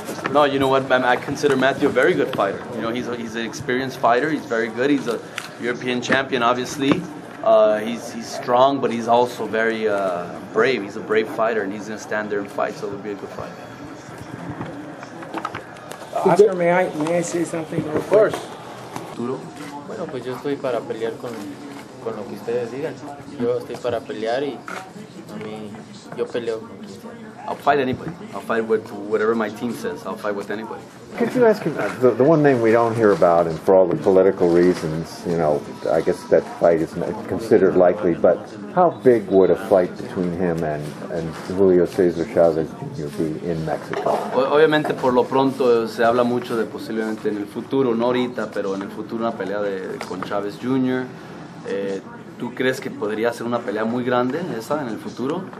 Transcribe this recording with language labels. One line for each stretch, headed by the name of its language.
English: No, you know what, I consider Matthew a very good fighter. You know, he's an experienced fighter, he's very good, he's a European champion, obviously. He's strong, but he's also very brave. He's a brave fighter, and he's going to stand there and fight, so it'll be a good fight. Oscar, may I say something? Of course.
Spanish: Duro? Bueno, pues yo estoy para pelear con lo que ustedes digan. Yo estoy para pelear y a mí, yo peleo con...
English: I'll fight anybody. I'll fight with whatever my team says. I'll fight with anybody. Could you ask him, the one name we don't hear about, and for all the political reasons, you know, I guess that fight isn't considered likely, but how big would a fight between him and Julio Cesar Chavez Jr. be in Mexico?
Spanish: Obviamente, por lo pronto, se habla mucho de posiblemente en el futuro, no ahorita, pero en el futuro una pelea con Chavez Jr. ¿Tú crees que podría ser una pelea muy grande esa en el futuro?